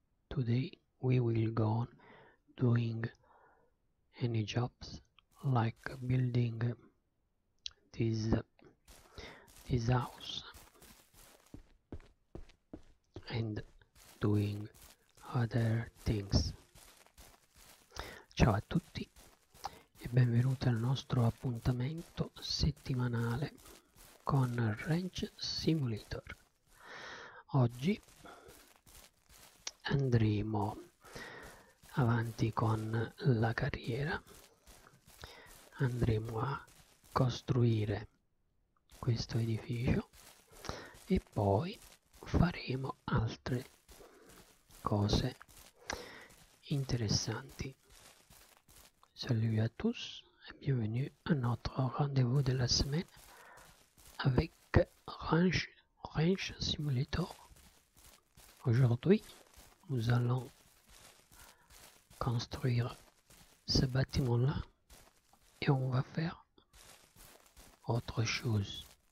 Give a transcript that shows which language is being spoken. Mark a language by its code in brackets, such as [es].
[en] Today we will go on doing any jobs like building this house and doing other things. [it] Ciao a tutti e benvenuti al nostro appuntamento settimanale con Ranch Simulator. Oggi andremo avanti con la carriera, andremo a costruire questo edificio e poi faremo altre cose interessanti. [fr] Salut à tous et bienvenue à notre rendez-vous de la semaine avec Ranch Simulator. Aujourd'hui, nous allons construire ce bâtiment-là et on va faire autre chose.